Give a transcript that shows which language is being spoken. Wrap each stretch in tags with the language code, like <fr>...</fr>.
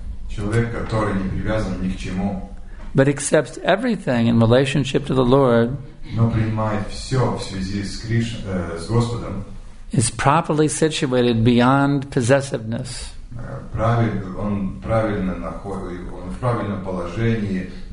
<ru>человек, который не привязан ни к чему,</ru> <en>but accepts everything in relationship to the Lord,</en> <ru>но принимает все в связи с Кришна, с Господом,</ru> <en>is properly situated beyond possessiveness.</en> <ru>Он в правильном положении.</ru>